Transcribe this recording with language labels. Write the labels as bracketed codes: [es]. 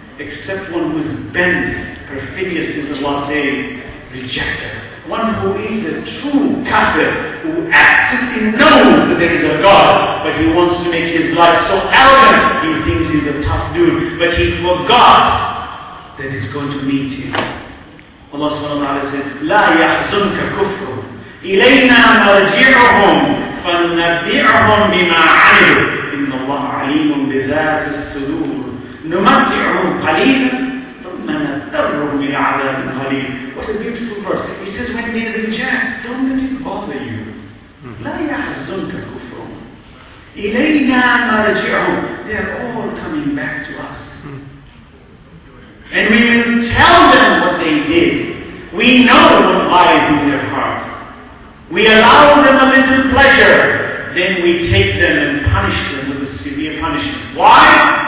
[en] except one who is bent, perfidious in the last day, rejected. One who is a true Kafir, who absolutely knows that there is a God, but he wants to make his life so arrogant, he thinks he's a tough dude, but he forgot that he's going to meet him. Allah subhanahu wa ta'ala says, [ar] لا يحزنك كفر إلينا مرجعهم فنبئهم بما عملوا إن الله عليم بذات الصدور نمتعهم قليلا ثم نضطرهم إلى عذاب قليل. [en] What a beautiful verse. He says, when they reject, don't let it bother you. [ar] لا يحزنك كفر إلينا مرجعهم. [en] They are all coming back to us. And we will tell them what they did. We know what lies in their hearts. We allow them a little pleasure. Then we take them and punish them with a severe punishment. Why?